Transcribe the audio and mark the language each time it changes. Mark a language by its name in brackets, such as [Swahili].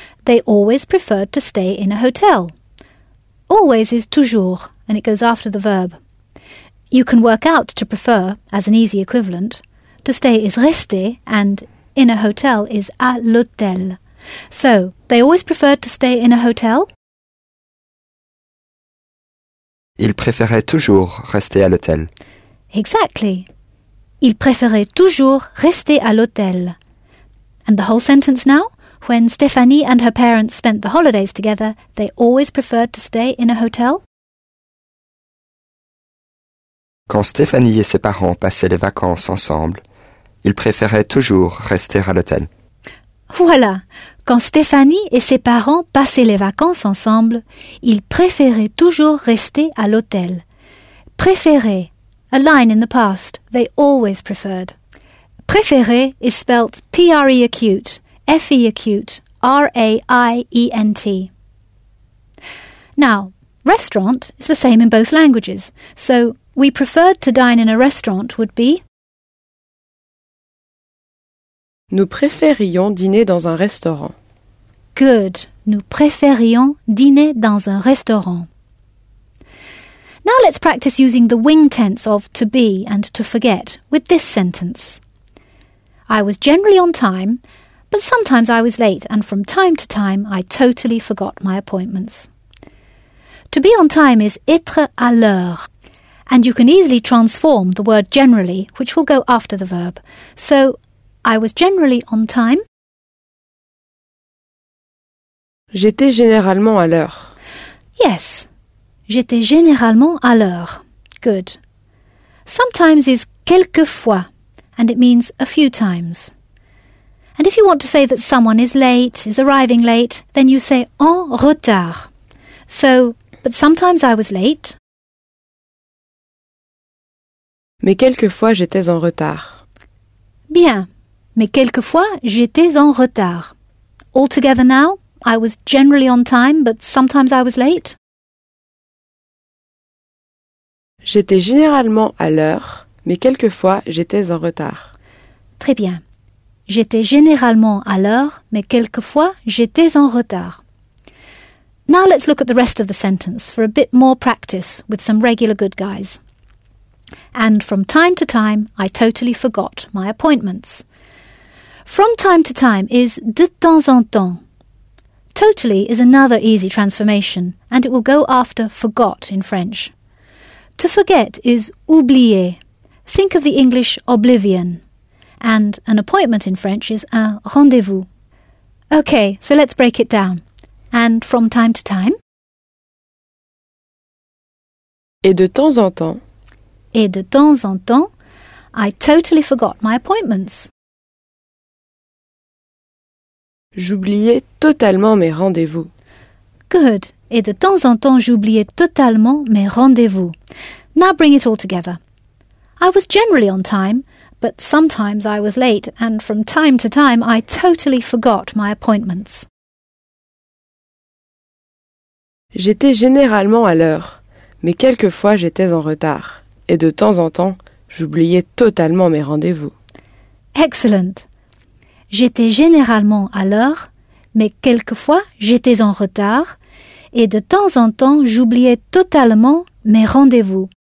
[English] They always preferred to stay in a hotel. Always is toujours, and it goes after the verb. You can work out to prefer as an easy equivalent. To stay is rester, and in a hotel is à l'hôtel. So, they always preferred to stay in a hotel? [French] Ils préféraient toujours rester à l'hôtel. [English] Exactly. [French] Ils préféraient toujours rester à l'hôtel. [English] And the whole sentence now? When Stéphanie and her parents spent the holidays together, they always preferred to stay in a hotel? [French] Quand Stéphanie et ses parents passaient les vacances ensemble, ils préféraient toujours rester à l'hôtel. Voilà. Quand Stéphanie et ses parents passaient les vacances ensemble, ils préféraient toujours rester à l'hôtel. [English] Préférer. A line in the past. They always preferred. Préférer is spelt P-R-E-acute, F-E-acute, R-A-I-E-N-T. Now, restaurant is the same in both languages. So, we preferred to dine in a restaurant would be... [French] Nous préférions dîner dans un restaurant. [English] Good. [French] Nous préférions dîner dans un restaurant. [English] Now let's practice using the wing tense of to be and to forget with this sentence. I was generally on time, but sometimes I was late and from time to time I totally forgot my appointments. To be on time is être à l'heure. And you can easily transform the word generally, which will go after the verb. So, I was generally on time. [French] J'étais généralement à l'heure. [English] Yes. [French] J'étais généralement à l'heure. [English] Good. Sometimes is quelquefois, and it means a few times. And if you want to say that someone is late, is arriving late, then you say en retard. So, but sometimes I was late. [French] Mais quelquefois j'étais en retard. Bien. Mais quelquefois j'étais en retard. [English] Altogether now, I was generally on time, but sometimes I was late. [French] J'étais généralement à l'heure, mais quelquefois j'étais en retard. Très bien. J'étais généralement à l'heure, mais quelquefois j'étais en retard. [English] Now let's look at the rest of the sentence for a bit more practice with some regular good guys. And from time to time, I totally forgot my appointments. From time to time is de temps en temps. Totally is another easy transformation, and it will go after forgot in French. To forget is oublier. Think of the English oblivion. And an appointment in French is un rendez-vous. Okay, so let's break it down. And from time to time. [French] Et de temps en temps. Et de temps en temps, [English] I totally forgot my appointments. [French] J'oubliais totalement mes rendez-vous. [English] Good. [French] Et de temps en temps, j'oubliais totalement mes rendez-vous. [English] Now bring it all together. I was generally on time, but sometimes I was late, and from time to time, I totally forgot my appointments. [French] J'étais généralement à l'heure, mais quelquefois j'étais en retard. Et de temps en temps, j'oubliais totalement mes rendez-vous. [English] Excellent. [French] J'étais généralement à l'heure, mais quelquefois j'étais en retard. Et de temps en temps, j'oubliais totalement mes rendez-vous.